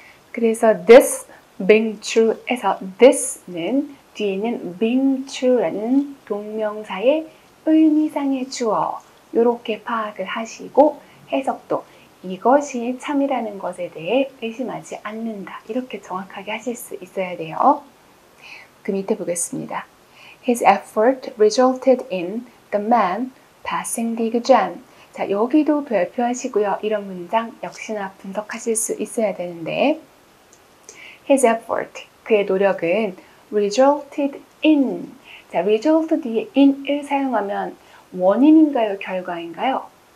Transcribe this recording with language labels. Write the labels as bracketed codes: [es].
[ko] 그래서 [en] this being true [ko] 에서 this는 뒤에 있는 being true라는 동명사의 의미상의 주어 이렇게 파악을 하시고 해석도 이것이 참이라는 것에 대해 의심하지 않는다 이렇게 정확하게 하실 수 있어야 돼요. 그 밑에 보겠습니다. [en] His effort resulted in the man passing the exam. [ko] 자, 여기도 별표하시고요. 이런 문장 역시나 분석하실 수 있어야 되는데 [en] His effort, [ko] 그의 노력은 [en] resulted in. [ko] 자, result 뒤에 in을 사용하면 원인인가요? 결과인가요?